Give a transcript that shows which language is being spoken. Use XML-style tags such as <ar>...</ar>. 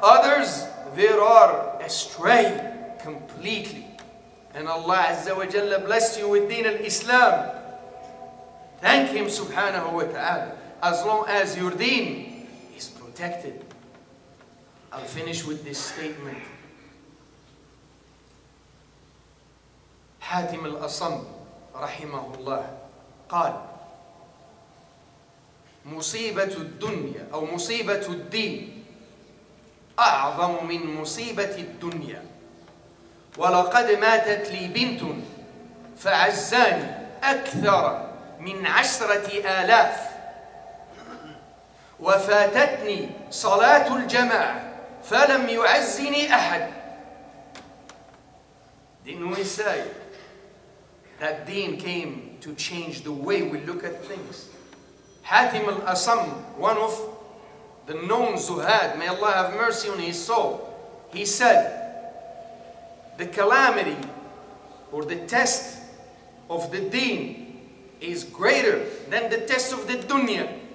<en>Others, there are astray completely. And Allah Azza wa Jalla blessed you with deen al-Islam. Thank Him subhanahu wa ta'ala. As long as your deen is protected. I'll finish with this statement.</en> <ar>حاتم الأصم رحمه الله قال مصيبة الدنيا أو مصيبة الدين أعظم من مصيبة الدنيا ولقد ماتت لي بنت فعزاني أكثر من 10,000، وفاتتني صلاة الجماعة فلم يعزني أحد.</ar> <en>Didn't we say that deen came to change the way we look at things? Hatim al-Asam, one of the known zuhad, may Allah have mercy on his soul, he said, the calamity or the test of the deen is greater than the test of the dunya.</en>